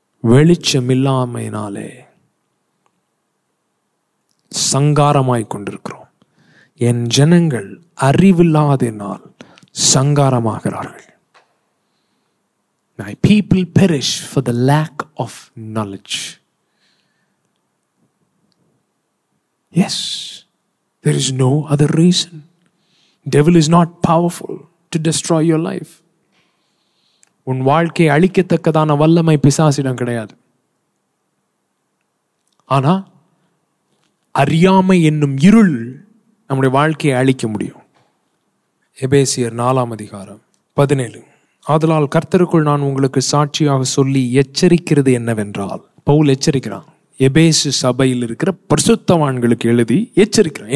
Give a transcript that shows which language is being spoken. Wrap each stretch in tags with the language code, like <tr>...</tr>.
<ta>வெளிச்சம் இல்லாமையினாலே சங்காரமாய்க் கொண்டிருக்கிறோம். என் ஜனங்கள் அறிவில்லாதனால் சங்காரமாகிறார்கள்.</ta> <en>My people perish for the lack of knowledge. Yes, there is no other reason. Devil is not powerful to destroy your life.</en> <ta>உன் வாழ்க்கையை அழிக்கத்தக்கதான வல்லமை பிசாசிடம் கிடையாது. ஆனா அறியாமை என்னும் இருள் நம்முடைய வாழ்க்கையை அழிக்க முடியும். எபேசியர் 4:17. ஆதலால் கர்த்தருக்குள் நான் உங்களுக்கு சாட்சியாக சொல்லி எச்சரிக்கிறது என்னவென்றால், பவுல் எச்சரிக்கிறான், எபேசு சபையில் இருக்கிற பரிசுத்தவான்களுக்கு எழுதி எச்சரிக்கிறான்.</ta>